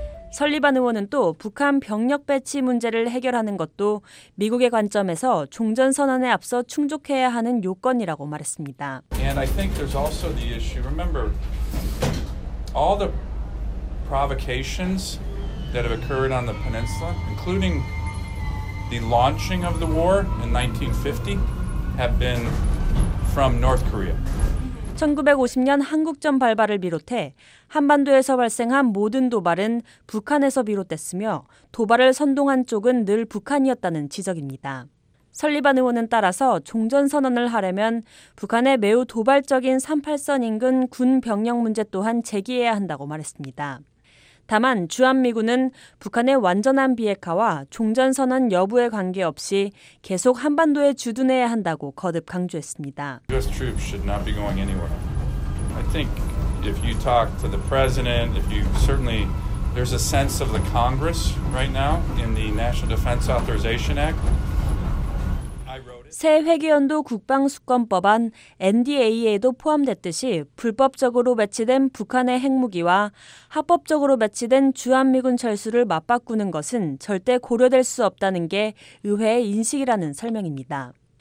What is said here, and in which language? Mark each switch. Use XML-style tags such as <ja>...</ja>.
<ko>설리반 의원은 또 북한 병력 배치 문제를 해결하는 것도 미국의 관점에서 종전선언에 앞서 충족해야 하는 요건이라고 말했습니다.</ko> <en>And I think there's also the issue, remember, all the provocations that have occurred on the peninsula, including the launching of the war in 1950, have been from North Korea.</en> <ko>1950년 한국전 발발을 비롯해 한반도에서 발생한 모든 도발은 북한에서 비롯됐으며 도발을 선동한 쪽은 늘 북한이었다는 지적입니다. 설리반 의원은 따라서 종전선언을 하려면 북한의 매우 도발적인 38선 인근 군 병력 문제 또한 제기해야 한다고 말했습니다. 다만 주한미군은 북한의 완전한 비핵화와 종전선언 여부에 관계없이 계속 한반도에 주둔해야 한다고 거듭 강조했습니다.</ko> <en>US troops should not be going anywhere. I think if you talk to the president, if you certainly there's a sense of the Congress right now in the National Defense Authorization Act.</en> <ko>새 회기연도 국방수권법안 NDAA에도 포함됐듯이 불법적으로 배치된 북한의 핵무기와 합법적으로 배치된 주한미군 철수를 맞바꾸는 것은 절대 고려될 수 없다는 게 의회의 인식이라는 설명입니다.</ko>